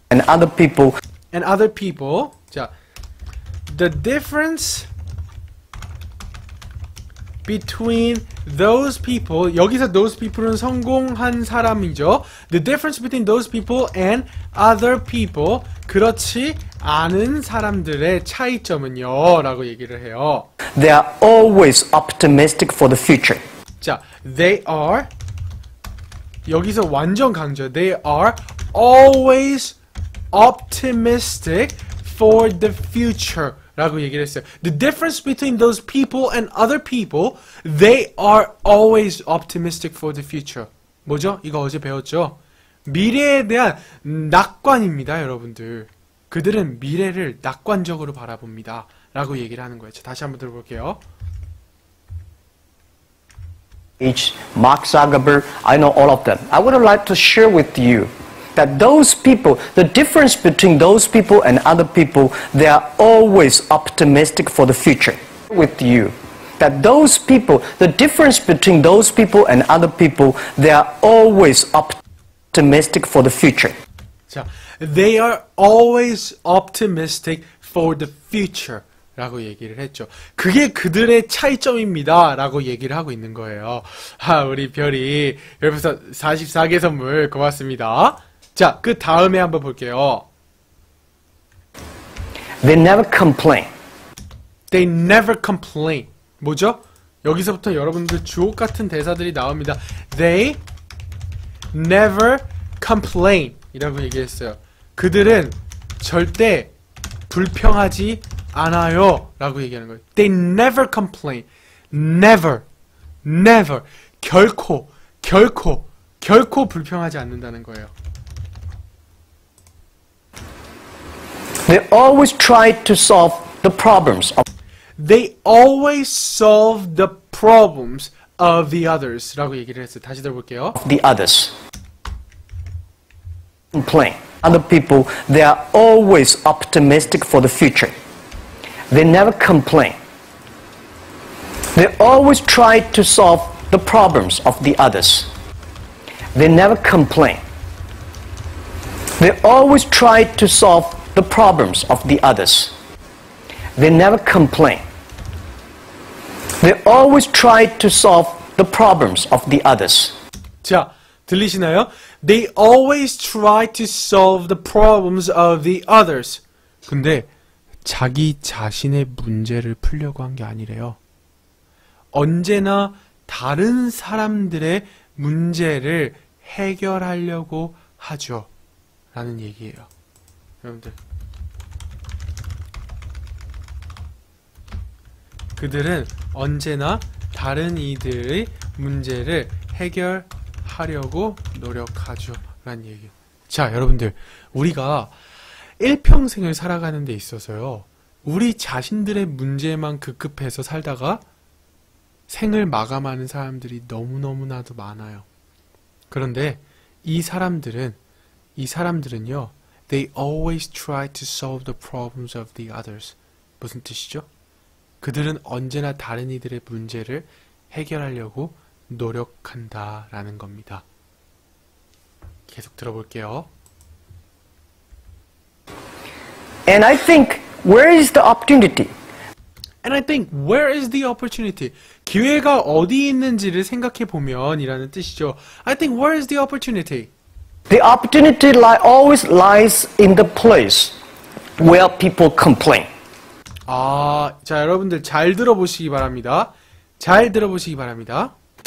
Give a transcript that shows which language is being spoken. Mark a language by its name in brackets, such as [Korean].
[English] and other people and other people. 자, the difference between those people. [Korean] 여기서 those people은 성공한 사람이죠. [English] The difference between those people and other people. [Korean] 그렇지 않은 사람들의 차이점은요. 라고 얘기를 해요. [English] They are always optimistic for the future. [Korean] 자, they are. 여기서 완전 강조. [English] They are always optimistic for the future. [Korean] 라고 얘기를 했어요. [English] The difference between those people and other people, they are always optimistic for the future. [Korean] 뭐죠? 이거 어제 배웠죠? 미래에 대한 낙관입니다, 여러분들. 그들은 미래를 낙관적으로 바라봅니다. 라고 얘기를 하는 거예요. 자, 다시 한번 들어볼게요. [English] Mark Zuckerberg, I know all of them. I would like to share with you. That those people, the difference between those people and other people, they are always optimistic for the future. With you. That those people, the difference between those people and other people, they are always optimistic for the future. 자, they are always optimistic for the future. [Korean] 라고 얘기를 했죠. 그게 그들의 차이점입니다. 라고 얘기를 하고 있는 거예요. 아, 우리 별이. 여러분, 44개 선물 고맙습니다. 자, 그 다음에 한번 볼게요. [English] They never complain. They never complain. 뭐죠? [Korean] 여기서부터 여러분들 주옥 같은 대사들이 나옵니다. [English] They never complain. [Korean] 이라고 얘기했어요. 그들은 절대 불평하지 않아요. 라고 얘기하는 거예요. [English] They never complain. Never. Never. [Korean] 결코, 결코, 결코 불평하지 않는다는 거예요. [English] They always try to solve the problems of They always solve the problems of the others [Korean] 라고 얘기를 했어요. 다시 들어볼게요. [English] The others complain. Other people, they are always optimistic for the future. They never complain. They always try to solve the problems of the others. They never complain. They always try to solve the problems of the others. They never complain. They always try to solve the problems of the others. [Korean] 자, 들리시나요? [English] They always try to solve the problems of the others. [Korean] 근데 자기 자신의 문제를 풀려고 한 게 아니래요. 언제나 다른 사람들의 문제를 해결하려고 하죠. 라는 얘기예요. 여러분들. 그들은 언제나 다른 이들의 문제를 해결하려고 노력하죠. 라는 얘기. 자, 여러분들. 우리가 일평생을 살아가는 데 있어서요. 우리 자신들의 문제만 급급해서 살다가 생을 마감하는 사람들이 너무너무나도 많아요. 그런데 이 사람들은요. [English] They always try to solve the problems of the others. [Korean] 무슨 뜻이죠? 그들은 언제나 다른 이들의 문제를 해결하려고 노력한다라는 겁니다. 계속 들어볼게요. [English] And I think, where is the opportunity? And I think, where is the opportunity? [Korean] 기회가 어디 있는지를 생각해 보면 이라는 뜻이죠. [English] I think, where is the opportunity? The opportunity always lies in the place where people complain. [Korean] 아, 자, 여러분들 잘 들어보시기 바랍니다.